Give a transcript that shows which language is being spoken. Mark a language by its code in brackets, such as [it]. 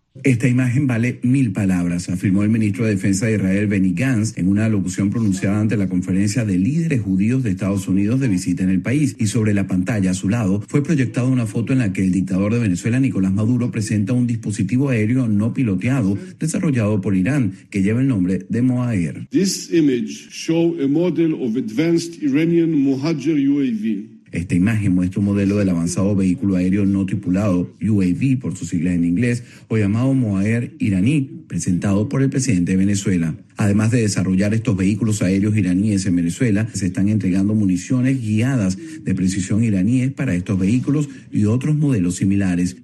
[es] Esta imagen vale mil palabras, afirmó el ministro de Defensa de Israel, Benny Gantz, en una alocución pronunciada ante la conferencia de líderes judíos de Estados Unidos de visita en el país. Y sobre la pantalla a su lado fue proyectada una foto en la que el dictador de Venezuela, Nicolás Maduro, presenta un dispositivo aéreo no piloteado desarrollado por Irán, que lleva el nombre de Mohajer. [en] This image shows a model of advanced Iranian Mohajer UAV. [es] Esta imagen muestra un modelo del avanzado vehículo aéreo no tripulado, UAV por sus siglas en inglés, o llamado Mohajer iraní, presentado por el presidente de Venezuela. Además de desarrollar estos vehículos aéreos iraníes en Venezuela, se están entregando municiones guiadas de precisión iraníes para estos vehículos y otros modelos similares.